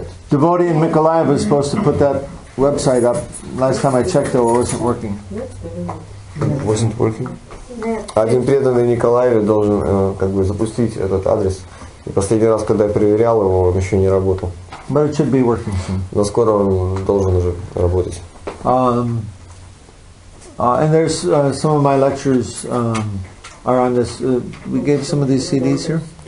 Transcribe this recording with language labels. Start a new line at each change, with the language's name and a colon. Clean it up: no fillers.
English: Devotee in Mykolaiv was supposed to put that website up. Last time I checked, though, it wasn't working.
Russian: Один преданный Николаев должен запустить этот адрес. Последний раз, когда я проверял его, он еще не работал.
English: But it should be working soon.
Russian: Но скоро он должен уже работать.
English: And there's some of my lectures are on this. We gave some of these CDs here.